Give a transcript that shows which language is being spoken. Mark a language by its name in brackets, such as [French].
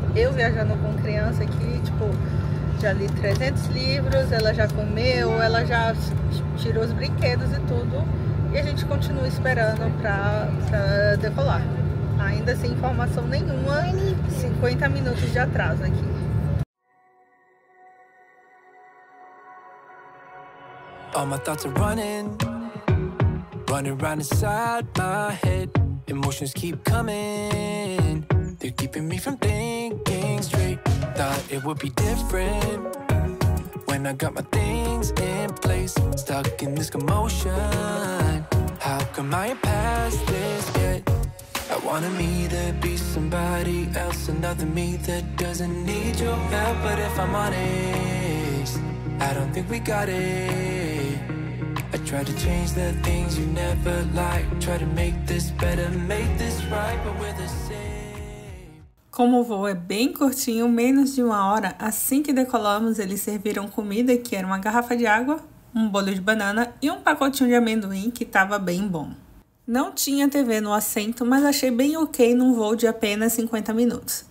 [Portuguese] Eu viajando com criança aqui, tipo, já li 300 livros, ela já comeu, ela já tirou os brinquedos e tudo. E a gente continua esperando pra decolar. Ainda sem informação nenhuma, 50 minutos de atraso aqui. [English] All my thoughts are running. Running around inside my head. Emotions keep coming. They're keeping me from thinking straight. Thought it would be different when I got my things in place. Stuck in this commotion. How come I ain't past this yet? I wanna me to be somebody else. Another me that doesn't need your help. But if I'm honest, I don't think we got it. Try to change the things you never liked. Try to make this better, make this right, but we're the same. [Portuguese] Como o voo é bem curtinho, menos de uma hora, assim que decolamos, eles serviram comida, que era uma garrafa de água, um bolo de banana e um pacotinho de amendoim, que estava bem bom. Não tinha TV no assento, mas achei bem ok num voo de apenas 50 minutos.